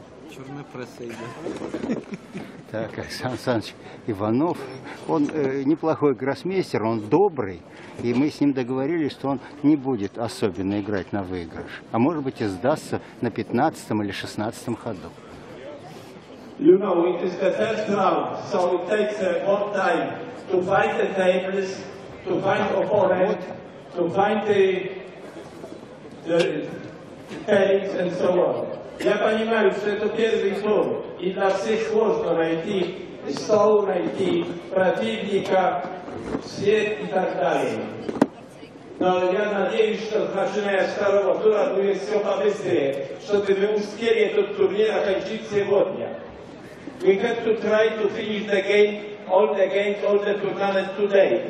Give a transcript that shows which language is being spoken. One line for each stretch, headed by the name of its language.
Russian: Черная пресса идет. Так, Александр Александрович Иванов, он неплохой гроссмейстер, он добрый, и мы с ним договорились, что он не будет особенно играть на выигрыш, а может быть и сдастся на 15-м или 16-м ходу.
English: You know, it is the first round, so it takes a long time to find the tables, to find opponent, to find the tables and so on.
Russian: Я понимаю, что это первый тур, и для всех сложно найти стол, найти противника, свет и так далее. Но я надеюсь, что начиная с второго тура будет все побыстрее, чтобы мы успели этот турнир окончить сегодня.
English: We have to try to finish the game, all the games, all the tournament today.